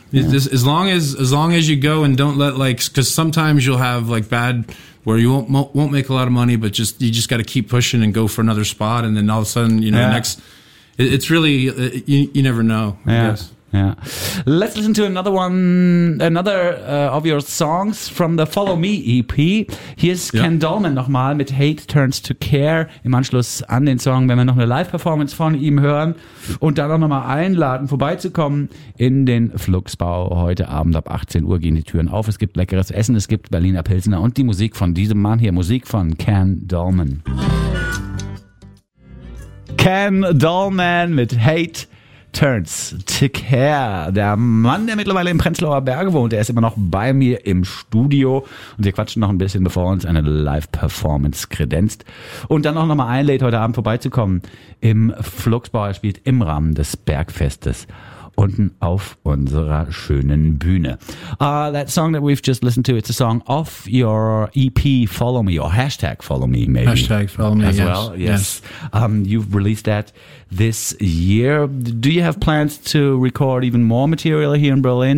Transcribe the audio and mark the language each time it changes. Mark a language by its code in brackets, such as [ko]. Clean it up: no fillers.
[en] As long as you go and don't let, because sometimes you'll have bad where you won't make a lot of money, but you just got to keep pushing and go for another spot, and then all of a sudden, it's really you never know. Yes. Yeah. Let's listen to another of your songs from the Follow Me EP. [de] Hier ist Ken Dolman nochmal mit Hate Turns to Care. Im Anschluss an den Song werden wir noch eine Live-Performance von ihm hören und dann auch nochmal einladen, vorbeizukommen in den Fluxbau. Heute Abend ab 18 Uhr gehen die Türen auf. Es gibt leckeres Essen, es gibt Berliner Pilsner und die Musik von diesem Mann hier, Musik von Ken Dolman. Ken Dolman mit Hate Turns to Care. Der Mann, der mittlerweile im Prenzlauer Berge wohnt, der ist immer noch bei mir im Studio und wir quatschen noch ein bisschen, bevor uns eine Live-Performance kredenzt und dann auch nochmal einlädt, heute Abend vorbeizukommen im Fluxbau. Er spielt im Rahmen des Bergfestes unten auf unserer schönen Bühne. [en] That song that we've just listened to, it's a song off your EP, Follow Me, or Hashtag Follow Me, maybe. Hashtag Follow Me, as well. You've released that this year. Do you have plans to record even more material here in Berlin?